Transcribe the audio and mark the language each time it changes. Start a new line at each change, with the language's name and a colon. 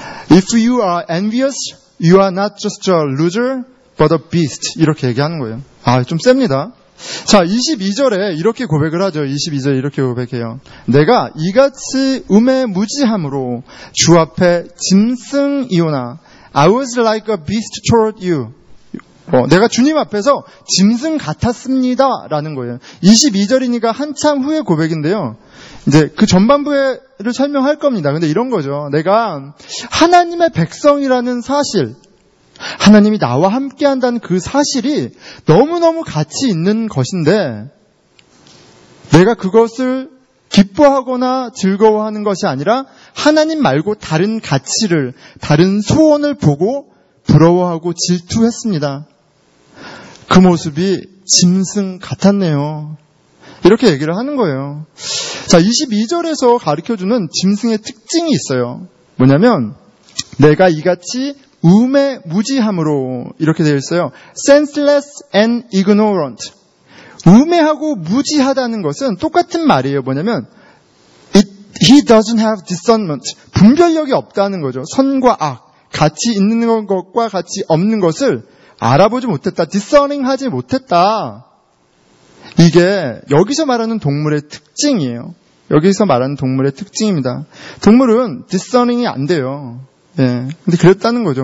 English: If you are envious, you are not just a loser, but a beast.
Korean: 이렇게 얘기하는 거예요. 아, 좀 셉니다. 자, 22절에 이렇게 고백을 하죠. 22절에 이렇게 고백해요. 내가 이같이 우매무지함으로 주 앞에 짐승이오나
English: I was like a beast toward you.
Korean: 내가 주님 앞에서 짐승 같았습니다. 라는 거예요. 22절이니까 한참 후의 고백인데요. 이제 그 전반부를 설명할 겁니다. 근데 이런 거죠. 내가 하나님의 백성이라는 사실, 하나님이 나와 함께 한다는 그 사실이 너무너무 가치 있는 것인데, 내가 그것을 기뻐하거나 즐거워하는 것이 아니라 하나님 말고 다른 가치를, 다른 소원을 보고 부러워하고 질투했습니다. 그 모습이 짐승 같았네요. 이렇게 얘기를 하는 거예요. 자, 22절에서 가르쳐주는 짐승의 특징이 있어요. 뭐냐면 내가 이같이 우매무지함으로 이렇게 되어 있어요.
English: Senseless and ignorant.
Korean: 우매하고 무지하다는 것은 똑같은 말이에요. 뭐냐면
English: he doesn't have discernment.
Korean: 분별력이 없다는 거죠. 선과 악, 가치 있는 것과 가치 없는 것을 알아보지 못했다. discerning 하지 못했다. 이게 여기서 말하는 동물의 특징이에요. 여기서 말하는 동물의 특징입니다. 동물은 discerning이 안 돼요. 예. 근데 그랬다는 거죠.